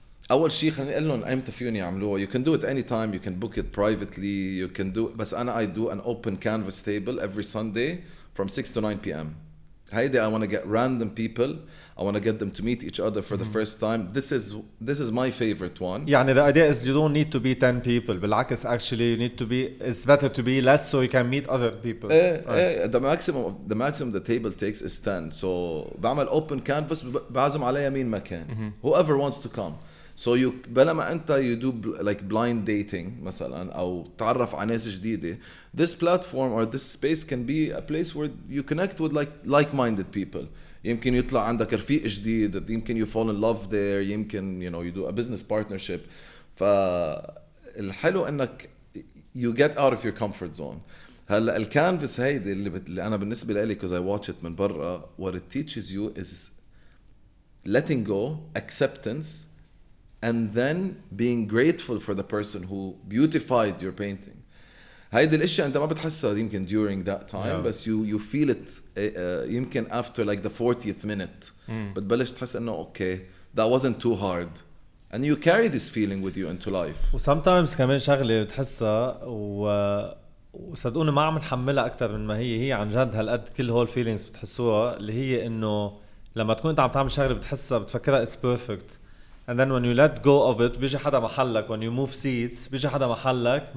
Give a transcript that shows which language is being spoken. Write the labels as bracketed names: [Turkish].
[Arabic] أول شيء خليني أقول لهم أمتى فيهم يعملوها. [English] You can do it anytime. You can book it privately. You can do. [Arabic] بس أنا [English] I do an open canvas table every Sunday from 6 to 9 PM. [Arabic] هيدي [English] I wanna get random people. I wanna get them to meet each other for the first time. This is my favorite one. [Arabic] يعني [English] the idea is you don't need to be 10 people. [Arabic] بالعكس [English] actually you need to be. It's better to be less so you can meet other people. The maximum the table takes is 10. [Arabic] So بعمل open canvas بعزم عليها مين مكان. [English] Whoever wants to come. So you [Arabic] بلما أنت [English] you do like blind dating [Arabic] مثلاً أو تعرف على ناس جديدة, [English] this platform or this space can be a place where you connect with like-minded people. [Arabic] يمكن يطلع عندك رفيق جديد, يمكن [English] you fall in love there, يمكن you know you do a business partnership. [Arabic] فالحلو إنك [English] you get out of your comfort zone. [Arabic] هلا الكانفاس هيدي اللي أنا بالنسبة لي [English] because I watch it [Arabic] من برا, [English] what it teaches you is letting go, acceptance. And then being grateful for the person who beautified your painting. [Arabic] هيدي الاشياء انت ما بتحسها يمكن [English] during that time, yeah. [Arabic] بس [English] you feel it [Arabic] يمكن [English] after like the 40th minute. [Arabic] بتبلش تحس انه [English] okay, that wasn't too hard. And you carry this feeling with you into life. Sometimes [Arabic] كمان شغلة بتحسها وصدقوني ما عم نحملها أكثر من ما هي عن جد هالقد كل هول feelings بتحسوها اللي هي انه لما تكون انت عم تعمل شغلة بتحسها بتفكرها [English] it's perfect. And then when you let go of it, [Arabic] بيجي حدا محلك. [English] When you move seats, بيجي حدا محلك.